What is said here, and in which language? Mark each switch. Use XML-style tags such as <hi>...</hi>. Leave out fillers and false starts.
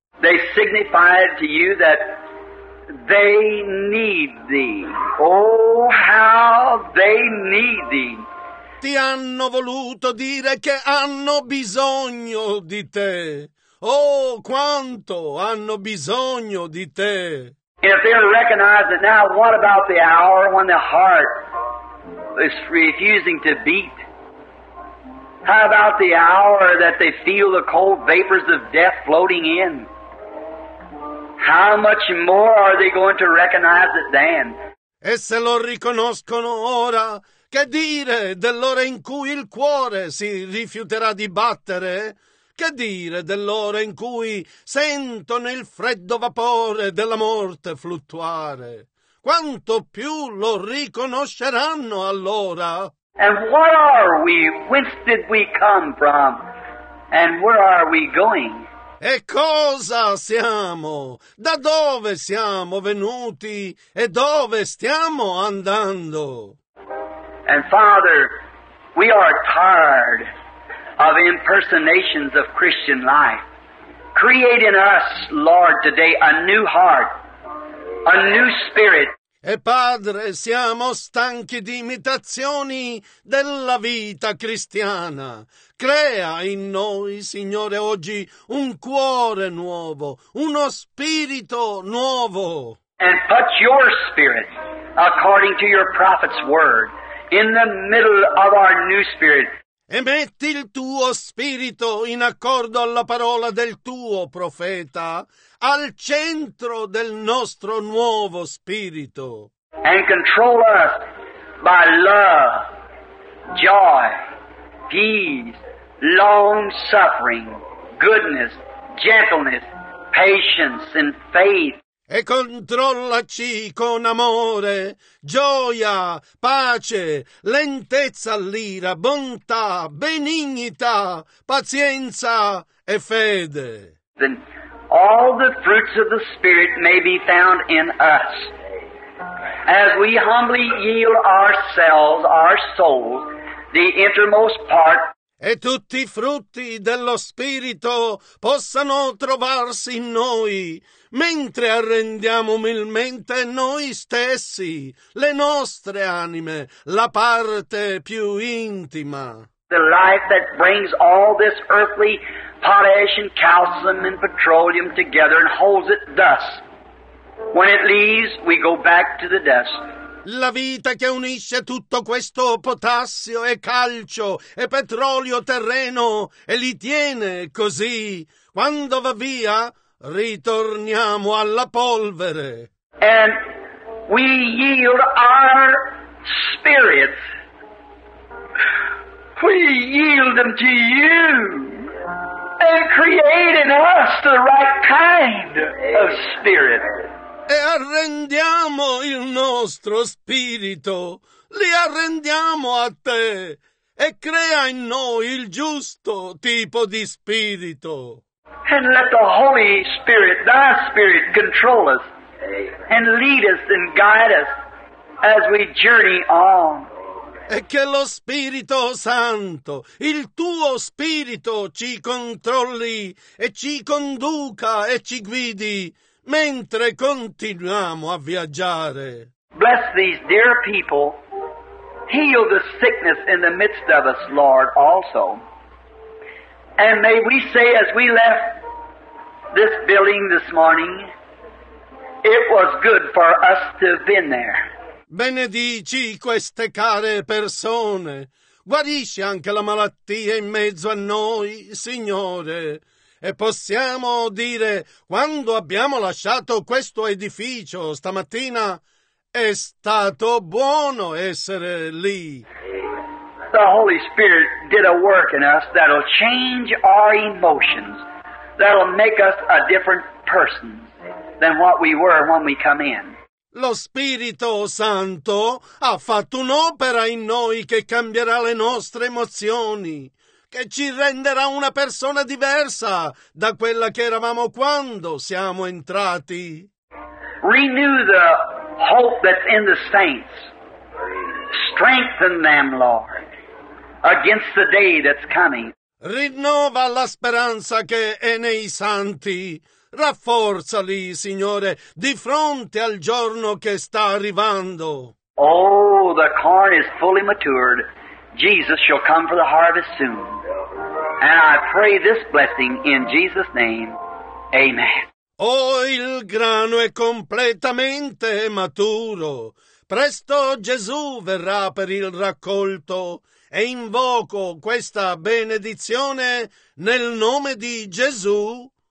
<en>They signify to you that they need thee. Oh, how they need thee.</en> <it>Ti hanno voluto dire che hanno bisogno di te. Oh, quanto hanno bisogno di te.</it> <en>If they recognize it now, what about the hour when the heart is refusing to beat? How about the hour that they feel the cold vapors of death floating in? How much more are they going to recognize it then?</en> <it>E se lo riconoscono ora, che dire dell'ora in cui il cuore si rifiuterà di battere? Che dire dell'ora in cui sentono il freddo vapore della morte fluttuare? Quanto più lo riconosceranno allora?</it> <en>And where are we? Whence did we come from? And where are we going?</en> <it>E cosa siamo? Da dove siamo venuti? E dove stiamo andando?</it> <en>And Father, we are tired of impersonations of Christian life. Create in us, Lord, today a new heart, a new spirit.</en> <it>E Padre, siamo stanchi di imitazioni della vita cristiana. Crea in noi, Signore, oggi un cuore nuovo, uno spirito nuovo.</it> <en>And put your spirit according to your prophet's word. In the middle of our new spirit.</en> <it>e metti il tuo spirito in accordo alla parola del tuo profeta al centro del nostro nuovo spirito.</it> <en>And control us by love, joy, peace, long suffering, goodness, gentleness, patience and faith.</en> <it>E controllaci con amore, gioia, pace, lentezza all'ira, bontà, benignità, pazienza e fede.</it> <en>Then all the fruits of the Spirit may be found in us. As we humbly yield ourselves, our souls, the innermost part.</en> <it>E tutti i frutti dello Spirito possano trovarsi in noi, mentre arrendiamo umilmente noi stessi, le nostre anime, la parte più intima.</it> <en>The life that brings all this earthly potash and calcium and petroleum together and holds it thus. When it leaves, we go back to the dust.</en> <it>La vita che unisce tutto questo potassio e calcio e petrolio terreno e li tiene così. Quando va via, ritorniamo alla polvere.</it> <en>And we yield our spirits. We yield them to you. And create in us the right kind of spirit.</en> <it>E arrendiamo il nostro spirito, li arrendiamo a te, e crea in noi il giusto tipo di spirito.</it> <en>And let the Holy Spirit, thy Spirit, control us, and lead us and guide us as we journey on.</en> <it>E che lo Spirito Santo, il tuo Spirito, ci controlli e ci conduca e ci guidi, mentre continuiamo a viaggiare.</it> <en>Bless these dear people. Heal the sickness in the midst of us, Lord, also. And may we say as we left this building this morning, it was good for us to have been there.</en> <it>Benedici queste care persone. Guarisci anche la malattia in mezzo a noi, Signore. E possiamo dire, quando abbiamo lasciato questo edificio stamattina, è stato buono essere lì.</it> <en>The Holy Spirit did a work in us that'll change our emotions, that'll make us a different person than what we were when we come in.</en> <it>Lo Spirito Santo ha fatto un'opera in noi che cambierà le nostre emozioni, che ci renderà una persona diversa da quella che eravamo quando siamo entrati.</it> <en>Renew the hope that's in the saints. Strengthen them, Lord, against the day that's coming.</en> <it>Rinnova la speranza che è nei santi. Rafforzali, Signore, di fronte al giorno che sta arrivando.</it> <en>Oh, the corn is fully matured. Jesus shall come for the harvest soon. And I pray this blessing in Jesus' name. Amen.</en> <it>Oh, il grano è completamente maturo. Presto Gesù verrà per il raccolto. E invoco questa benedizione nel nome di Gesù.</it>